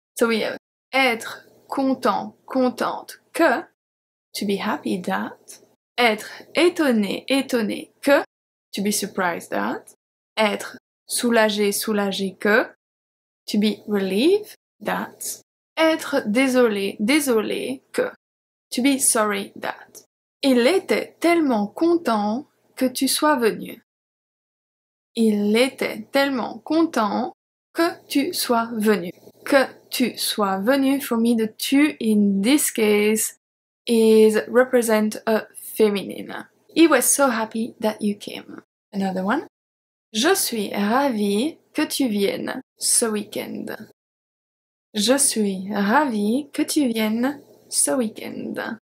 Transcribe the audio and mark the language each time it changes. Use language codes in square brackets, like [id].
[en] So we have [fr] être content, contente, que, [en] to be happy that. [fr] Être étonné, étonné, que, [en] to be surprised that. [fr] Être soulagé, soulagé, que, [en] to be relieved that. [fr] Être désolé, désolé, que, [en] to be sorry that. [fr] Il était tellement content que tu sois venu. Il était tellement content que tu sois venu. Que tu sois venu, [en] for me, the tu in this case is represent a feminine. He was so happy that you came. Another one. [fr] Je suis ravie que tu viennes ce week-end. Je suis ravie que tu viennes ce week-end.